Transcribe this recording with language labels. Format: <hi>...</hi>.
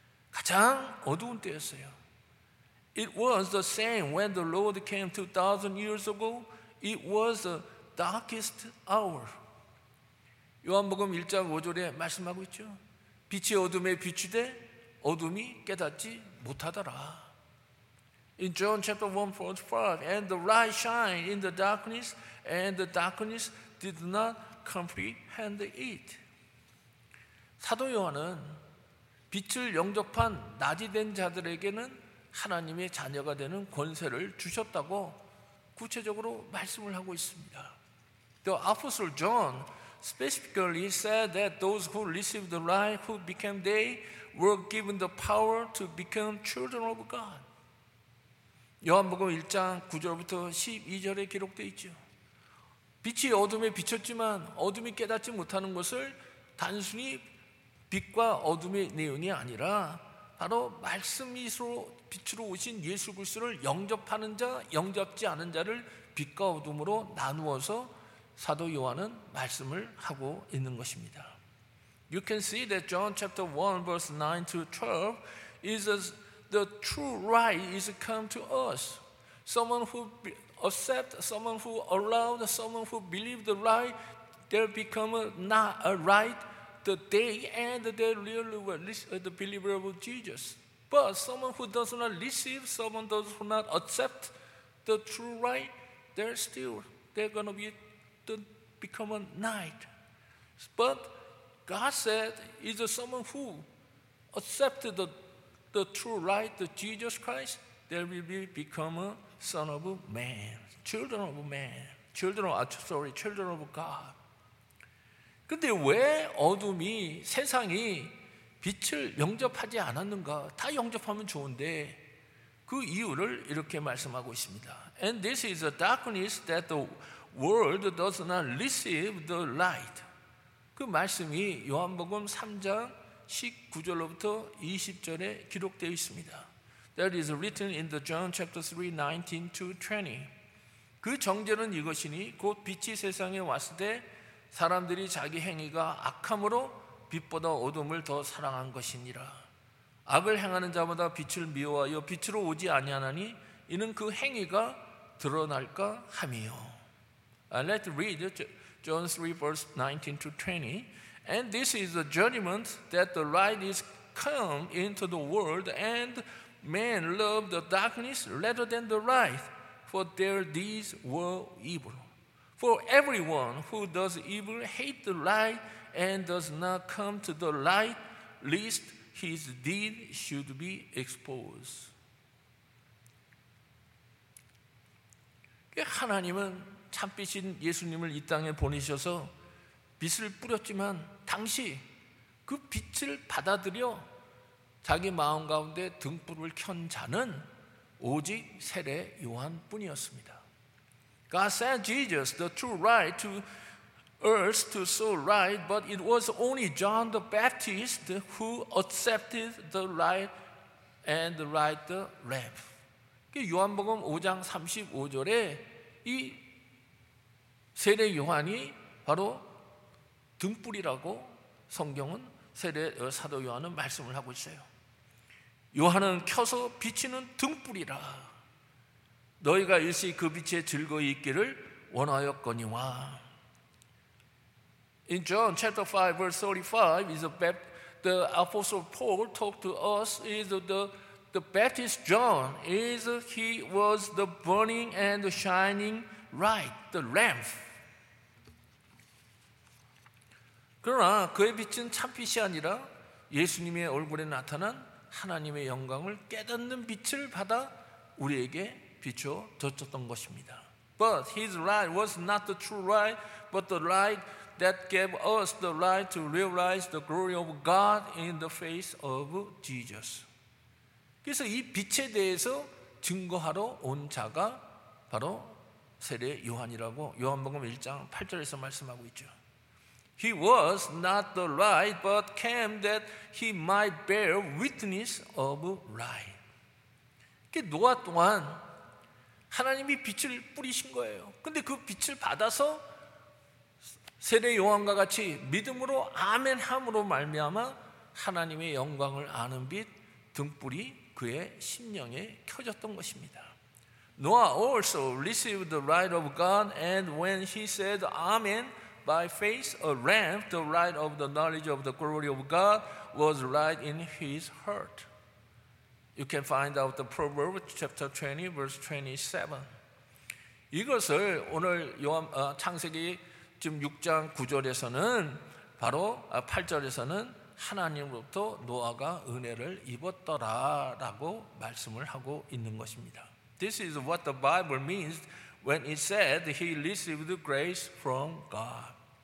<ko>가장 어두운 때였어요.</ko> <en>It was the same when the Lord came 2000 years ago. It was the darkest hour.</en> <ko>요한복음 1장 5절에 말씀하고 있죠. 빛이 어둠에 비추되 어둠이 깨닫지 못하더라.</ko> <en>In John chapter 1 verse 5, And the light shined in the darkness, and the darkness did not comprehend it.</en> <ko>사도 요한은 빛을 영접한 낮이 된 자들에게는 하나님의 자녀가 되는 권세를 주셨다고 구체적으로 말씀을 하고 있습니다.</ko> <en>The apostle John specifically said that those who received the light who became day were given the power to become children of God.</en> <ko>요한복음 1장 9절부터 12절에 기록되어 있죠. 빛이 어둠에 비쳤지만 어둠이 깨닫지 못하는 것을 단순히 빛과 어둠의 내용이 아니라 바로 말씀이로 빛으로 오신 예수 그리스도를 영접하는 자, 영접지 않은 자를 빛과 어둠으로 나누어서 사도 요한은 말씀을 하고 있는 것입니다.</ko> <en>You can see that John chapter 1 verse 9 to 12 is as the true light is come to us. Someone who accept, someone who allowed, someone who believe the light, there become a light the day and they really were the believer of Jesus. But someone who does not receive, someone does not accept the true light, they're still, they're going to be don't become a knight. But God said, is there someone who accepted the true light, the Jesus Christ, they will be become a son of man, children of man, children of God.</en> <ko>근데 왜 어둠이, 세상이 빛을 영접하지 않았는가? 다 영접하면 좋은데 그 이유를 이렇게 말씀하고 있습니다.</ko> <en>And this is a darkness that the world does not receive the light.</en> <ko>그 말씀이 요한복음 3장 19절로부터 20절에 기록되어 있습니다.</ko> <en>That is written in the John chapter 3, 19 to 20.</en> <ko>그 정죄는 이것이니 곧 빛이 세상에 왔을 때 사람들이 자기 행위가 악함으로 빛보다 어둠을 더 사랑한 것이니라. 악을 행하는 자마다 빛을 미워하여 빛으로 오지 아니하나니 이는 그 행위가 드러날까 함이요.</ko> <en>Let's read John 3 verse 19 to 20. And this is the judgment that the light is come into the world and men love the darkness rather than the light, for their deeds were evil. For everyone who does evil hates the light and does not come to the light, lest his deed should be exposed.</en> <ko>하나님은 참빛인 예수님을 이 땅에 보내셔서 빛을 뿌렸지만 당시 그 빛을 받아들여 자기 마음 가운데 등불을 켠 자는 오직 세례 요한뿐이었습니다.</ko> <en>God sent Jesus, the true light, to earth to sow light, but it was only John the Baptist who accepted the light and the light the lamp.</en> <ko>요한복음 5장 35절에 이 세례 요한이 바로 등불이라고 성경은 세례 사도 요한은 말씀을 하고 있어요. 요한은 켜서 비치는 등불이라. 너희가 일시 그 빛에 즐거이 있기를 원하였거니와.</ko> <en>In John chapter 5 verse 35 is the apostle Paul talked to us is the Baptist John is he was the burning and the shining light, the lamp.</en> <ko>그러나 그의 빛은 참빛이 아니라 예수님의 얼굴에 나타난 하나님의 영광을 깨닫는 빛을 받아 우리에게 비춰 줬었던 것입니다.</ko> <en>But his light was not the true light, but the light that gave us the light to realize the glory of God in the face of Jesus.</en> <ko>그래서 이 빛에 대해서 증거하러 온 자가 바로 세례 요한이라고 요한복음 1장 8절에서 말씀하고 있죠.</ko> <en>He was not the light, but came that he might bear witness of light.</en> <ko>노아 또한 하나님이 빛을 뿌리신 거예요. 근데 그 빛을 받아서 세례 요한과 같이 믿음으로 아멘함으로 말미암아 하나님의 영광을 아는 빛 등불이 그의 심령에 켜졌던 것입니다.</ko> <en>Noah also received the light of God, and when he said Amen. By faith, a lamp, the light of the knowledge of the glory of God, was light in his heart. You can find out the Proverbs chapter 20, verse 27.</en> <ko>이것을 오늘 창세기 지금 6장 9절에서는 바로 8절에서는 하나님으로부터 노아가 은혜를 입었더라라고 말씀을 하고 있는 것입니다.</ko> <en>This is what the Bible means when it said he received grace from God.</en>